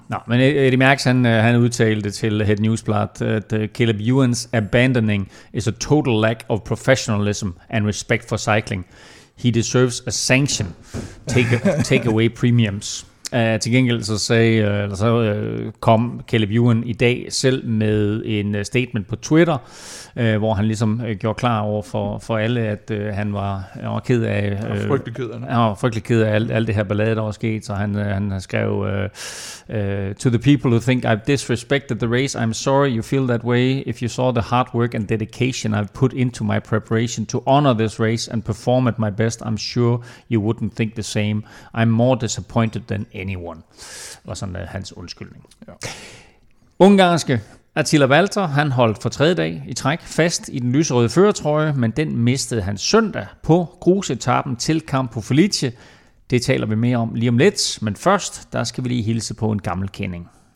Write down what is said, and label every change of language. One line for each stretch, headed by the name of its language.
Danish: Nå, men Eddie Merckx, han udtalte til Het Nieuwsblad, at
English: Caleb Ewan's abandoning is a total lack of professionalism and respect for cycling. He deserves a sanction. Take away premiums.
Danish: Til gengæld så sagde, eller så kom Caleb Ewan i dag selv med en statement på Twitter, hvor han ligesom gjorde klar over for alle, at han var ked af... frygtelig ked af. Han var frygtelig ked af alt det her ballade, der var sket, så han skrev
English: to the people who think I've disrespected the race, I'm sorry you feel that way. If you saw the hard work and dedication I've put into my preparation to honor this race and perform at my best, I'm sure you wouldn't think the same. I'm more disappointed than anyone,
Danish: var sådan hans undskyldning. Ja. Ungarske Attila Valter, han holdt for tredje dag i træk fast i den lyserøde førertrøje, men den mistede han søndag på grusetappen til Campo Felice. Det taler vi mere om lige om lidt, men først, der skal vi lige hilse på en gammel kending.